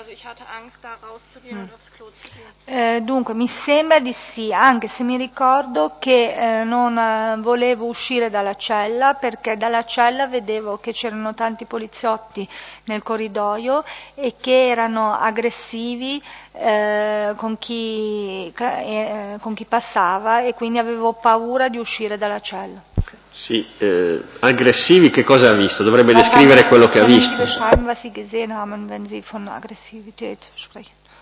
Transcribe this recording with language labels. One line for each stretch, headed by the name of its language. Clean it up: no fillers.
German: Also ich hatte Angst, da rauszugehen und aufs Klo zu gehen.
Italian: Dunque, mi sembra di sì, anche se mi ricordo che non volevo uscire dalla cella, perché dalla cella vedevo che c'erano tanti poliziotti nel corridoio e che erano aggressivi con chi passava e quindi avevo paura di uscire dalla cella. Sì, aggressivi, che cosa ha visto? Dovrebbe descrivere quello che ha visto.
German: Können Sie beschreiben, was Sie gesehen haben, wenn Sie von Aggressivität sprechen?